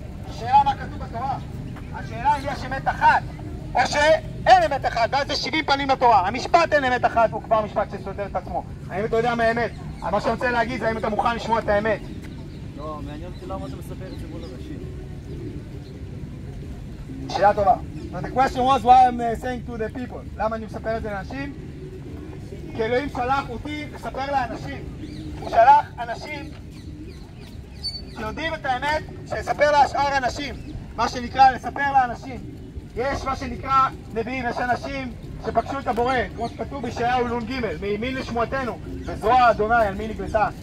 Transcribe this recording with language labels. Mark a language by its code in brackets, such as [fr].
[he] השאלה מה כתוב בתורה? השאלה היא יש אמת אחת, או שאין אמת אחת, ואז זה 70 פנים לתורה. המשפט אין אמת אחת, הוא כבר משפט שסותר את עצמו. האם אתה יודע מה האמת? מה שאני רוצה להגיד זה האם אתה מוכן לשמוע את האמת. לא, מעניין אותי למה אתה מספר את זה מול אנשים. שאלה טובה. [en] The question was why I'm saying to the people. [he] למה אני מספר את זה לאנשים? כי אלוהים שלח אותי לספר לאנשים. הוא שלח אנשים שיודעים את האמת, שיספר לשאר אנשים. מה שנקרא לספר לאנשים. יש מה שנקרא נביאים, יש אנשים שפגשו את הבורא, כמו שכתוב בישעיהו ל"ג, מימין לשמועתנו, וזרוע ה' על מי נגלתה.